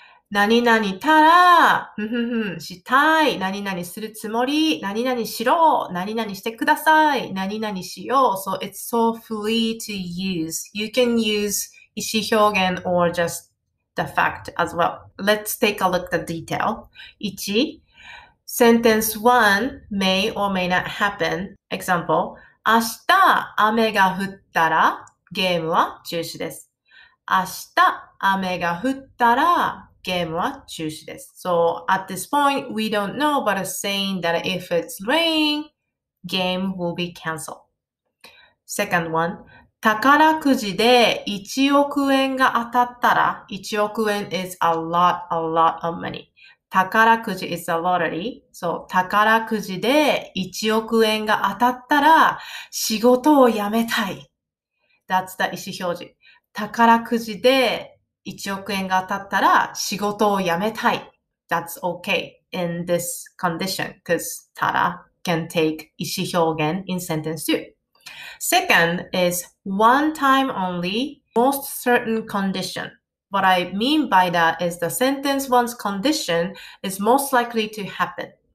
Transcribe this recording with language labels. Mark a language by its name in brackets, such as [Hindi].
[Japanese] 何々たら、したい、何々するつもり、何々しろ、何々してください、何々しよう。 [English] So it's so free to use. You can use 意思表現 or just the fact as well. Let's take a look at the detail. 1. Sentence 1 may or may not happen. [Japanese] Example, 明日雨が降ったらゲームは中止です。明日雨が降ったらゲームは中止です。 [English] So at this point, we don't know, but it's saying that if it's rain, game will be canceled. [Japanese] Second one, 宝くじで1億円が当たったら、1億円 [English] is a lot of money. 宝くじ is a lottery. [Japanese] So 宝くじで1億円が当たったら仕事を辞めたい。 [English] That's the 意思表示。 [Japanese] 宝くじで1億円が当たったら仕事を辞めたい。 [English] That's okay in this condition, because tara can take 意思表現 in sentence two. Second is one time only, most certain condition. What I mean by that is the sentence one's condition is most likely to happen.